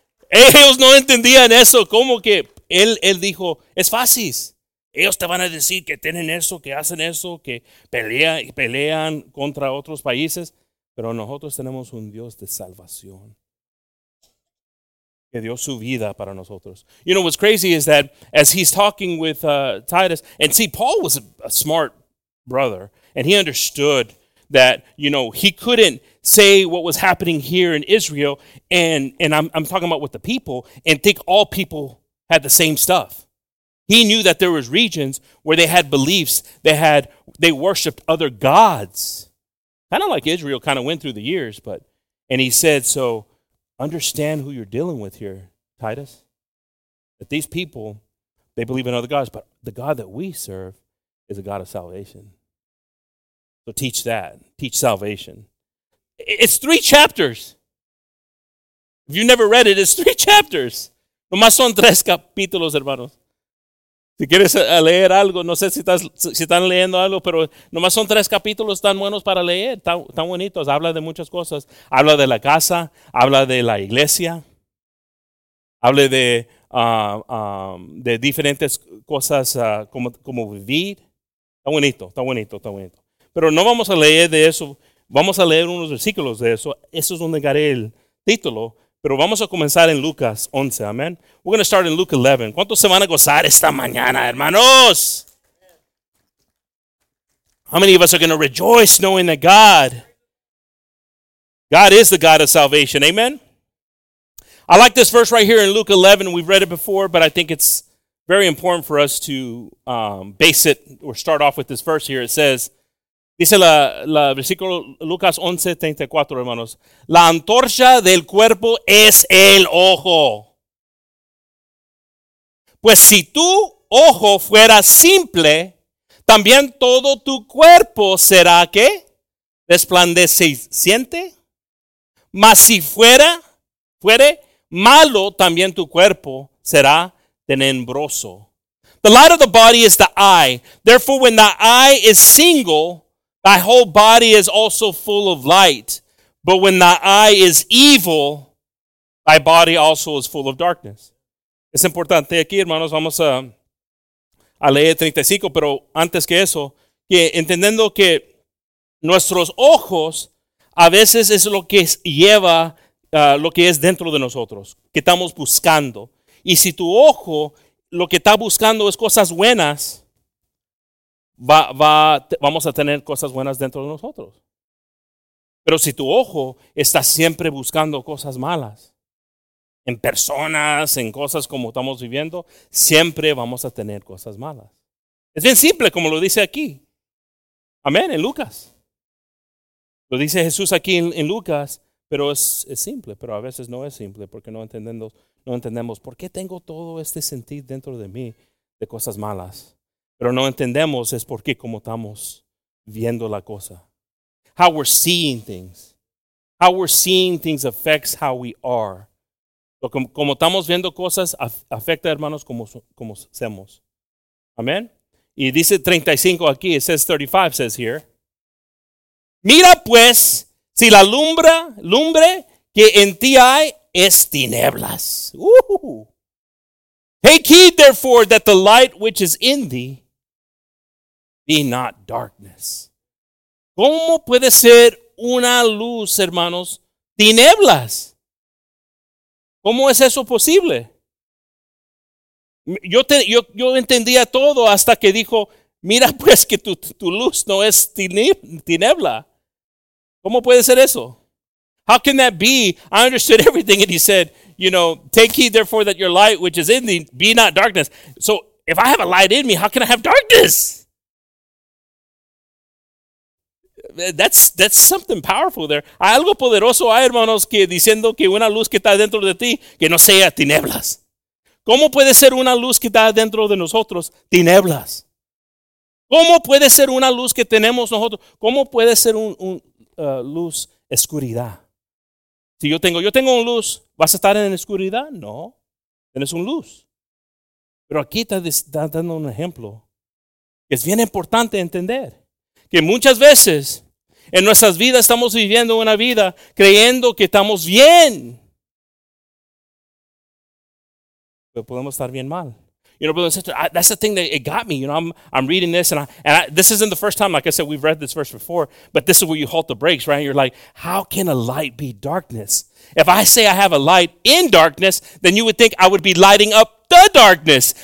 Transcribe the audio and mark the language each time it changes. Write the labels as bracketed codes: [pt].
[es] Ellos no entendían eso. ¿Cómo que? Él dijo, es fácil. Ellos te van a decir que tienen eso, que hacen eso, que pelean contra otros países. Pero nosotros tenemos un Dios de salvación que dio su vida para nosotros. [en] You know what's crazy is that as he's talking with Titus, and see, Paul was a smart brother, and he understood that, you know, he couldn't say what was happening here in Israel, and I'm talking about with the people, and think all people had the same stuff. He knew that there was regions where they had beliefs, they worshipped other gods. Kind of like Israel kind of went through the years, but, and he said, so understand who you're dealing with here, Titus. That these people, they believe in other gods, but the God that we serve is a God of salvation. So teach that, teach salvation. It's three chapters. If you never read it, it's three chapters. [es] Nomás son tres capítulos, hermanos. Si quieres leer algo, no sé si están leyendo algo, pero nomás son tres capítulos tan buenos para leer, tan bonitos. Habla de muchas cosas. Habla de la casa, habla de la iglesia, habla de diferentes cosas como vivir. Está bonito. Pero no vamos a leer de eso, vamos a leer unos versículos de eso. Eso es donde agarré el título. Pero vamos a comenzar en Lucas 11, amén. [en] We're going to start in Luke 11. [es] ¿Cuántos se van a gozar esta mañana, hermanos? [en] How many of us are going to rejoice knowing that God is the God of salvation, amen? I like this verse right here in Luke 11. We've read it before, but I think it's very important for us to base it or start off with this verse here. It says, [es] dice la versículo Lucas 11:34, hermanos. La antorcha del cuerpo es el ojo. Pues si tu ojo fuera simple, también todo tu cuerpo será ¿qué? Resplandeciente. Mas si fuere malo, también tu cuerpo será tenebroso. [en] The light of the body is the eye. Therefore, when the eye is single, thy whole body is also full of light, but when thy eye is evil, thy body also is full of darkness. [es] Es importante aquí, hermanos, vamos a leer 35, pero antes que eso, que entendiendo que nuestros ojos a veces es lo que lleva lo que es dentro de nosotros, que estamos buscando. Y si tu ojo lo que está buscando es cosas buenas, vamos a tener cosas buenas dentro de nosotros. Pero si tu ojo está siempre buscando cosas malas, en personas, en cosas como estamos viviendo, siempre vamos a tener cosas malas. Es bien simple como lo dice aquí. Amén, en Lucas. Lo dice Jesús aquí en Lucas, pero es simple, pero a veces no es simple porque no entendemos por qué tengo todo este sentir dentro de mí de cosas malas. Pero no entendemos es por qué como estamos viendo la cosa. [en] How we're seeing things. How we're seeing things affects how we are. [es] Como estamos viendo cosas, afecta, hermanos, como somos. Amén. Y dice 35 aquí, [en] it says 35, says here. [es] Mira pues, si la lumbre que en ti hay es tinieblas. [en] Take heed, therefore, that the light which is in thee be not darkness. [es] ¿Cómo puede ser una luz, hermanos, tinieblas? ¿Cómo es eso posible? Yo entendía todo hasta que dijo, mira pues que tu luz no es tiniebla. ¿Cómo puede ser eso? [en] How can that be? I understood everything. And he said, you know, take heed therefore that your light which is in thee be not darkness. So if I have a light in me, how can I have darkness? That's something powerful there. [es] Hay algo poderoso, hay hermanos, que diciendo que una luz que está dentro de ti, que no sea tinieblas. ¿Cómo puede ser una luz que está dentro de nosotros, tinieblas? ¿Cómo puede ser una luz que tenemos nosotros? ¿Cómo puede ser una luz, oscuridad? Si yo tengo una luz, ¿vas a estar en la oscuridad? No, tienes una luz. Pero aquí está dando un ejemplo que es bien importante entender. Que muchas veces en nuestras vidas estamos viviendo una vida creyendo que estamos bien. Pero podemos estar bien mal. [en] You know, brother and sister, that's the thing that it got me. You know, I'm reading this, and I, this isn't the first time, like I said, we've read this verse before, but this is where you halt the brakes, right? You're like, how can a light be darkness? If I say I have a light in darkness, then you would think I would be lighting up the darkness.